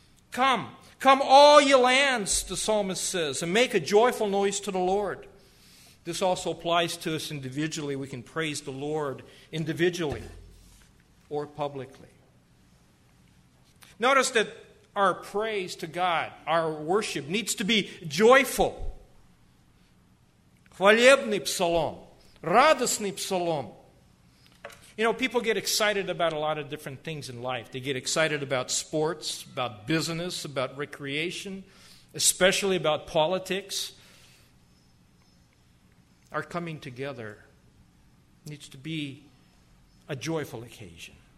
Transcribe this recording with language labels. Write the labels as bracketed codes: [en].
[en] "Come, come all ye lands," the psalmist says, "and make a joyful noise to the Lord." This also applies to us individually. We can praise the Lord individually or publicly. Notice that our praise to God, our worship, needs to be joyful. [ru] Хвалебный псалом, радостный псалом. [en] You know, people get excited about a lot of different things in life. They get excited about sports, about business, about recreation, especially about politics. Our coming together needs to be a joyful occasion.